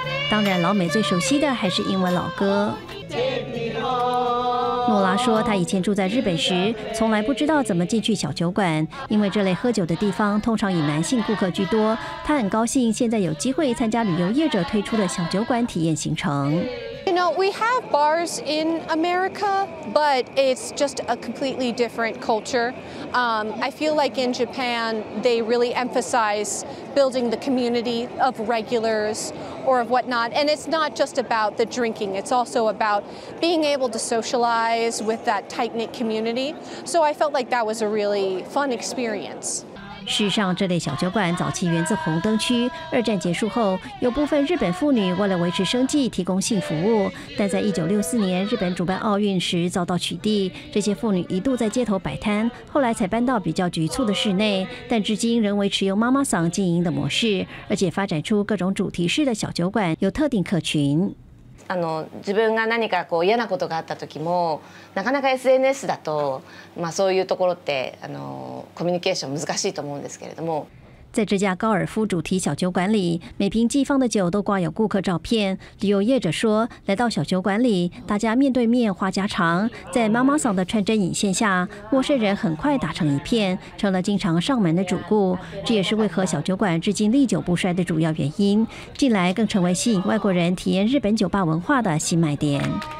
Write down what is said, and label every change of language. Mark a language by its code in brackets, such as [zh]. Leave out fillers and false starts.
[zh] 当然，老美最熟悉的还是英文老歌。诺拉说，他以前住在日本时，从来不知道怎么进去小酒馆，因为这类喝酒的地方通常以男性顾客居多。他很高兴现在有机会参加旅游业者推出的小酒馆体验行程。 [en] You know, we have bars in America, but it's just a completely different culture. I feel like in Japan, they really emphasize building the community of regulars or of whatnot. And it's not just about the drinking. It's also about being able to socialize with that tight-knit community. So I felt like that was a really fun experience. [zh] 事实上，这类小酒馆早期源自红灯区。二战结束后，有部分日本妇女为了维持生计提供性服务，但在1964年日本主办奥运时遭到取缔，这些妇女一度在街头摆摊，后来才搬到比较局促的室内，但至今仍维持由妈妈桑经营的模式，而且发展出各种主题式的小酒馆，有特定客群。 [ja] 自分が何かこう嫌なことがあった時もなかなか SNS だと、まあ、そういうところってコミュニケーション難しいと思うんですけれども。 [zh] 在这家高尔夫主题小酒馆里，每瓶寄放的酒都挂有顾客照片。旅游业者说，来到小酒馆里，大家面对面话家常，在妈妈桑的穿针引线下，陌生人很快打成一片，成了经常上门的主顾。这也是为何小酒馆至今历久不衰的主要原因，近来更成为吸引外国人体验日本酒吧文化的新卖点。